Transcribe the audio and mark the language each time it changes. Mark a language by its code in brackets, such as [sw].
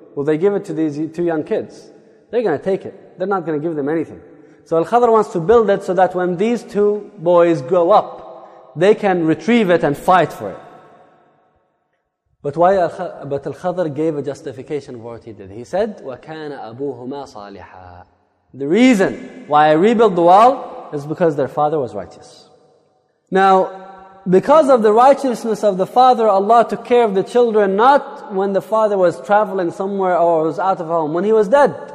[en] Will they give it to these two young kids? They're going to take it. They're not going to give them anything. So Al-Khadr wants to build it so that when these two boys grow up, they can retrieve it and fight for it. But Al-Khadr gave a justification for what he did. He said, [ar] وَكَانَ أَبُوهُمَا صَالِحًا. [en] The reason why I rebuilt the wall is because their father was righteous. Now, because of the righteousness of the father, Allah took care of the children, not when the father was traveling somewhere or was out of home, when he was dead.